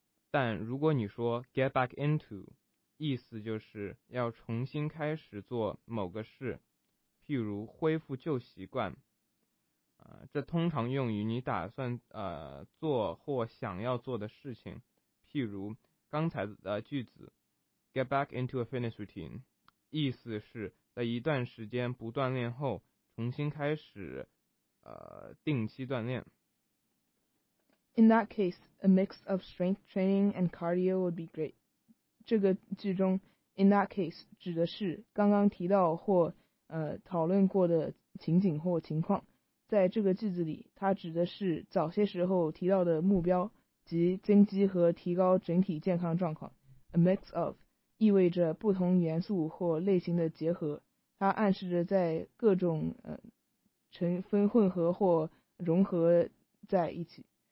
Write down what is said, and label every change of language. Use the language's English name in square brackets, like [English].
[Chinese] 但如果你说 get back into, 意思就是要重新开始做某个事，譬如恢复旧习惯，这通常用于你打算做或想要做的事情，譬如刚才的句子 [English] get back into a fitness routine, [Chinese] 意思是在一段时间不锻炼后重新开始定期锻炼。 [English] In that case, a mix of strength training and cardio would be great. [Chinese] 这个句中 [English] in that case [Chinese] 指的是刚刚提到或讨论过的情景或情况。在这个句子里，它指的是早些时候提到的目标，即增肌和提高整体健康状况。 [English] A mix of [Chinese] 意味着不同元素或类型的结合，它暗示着在各种成分混合或融合在一起。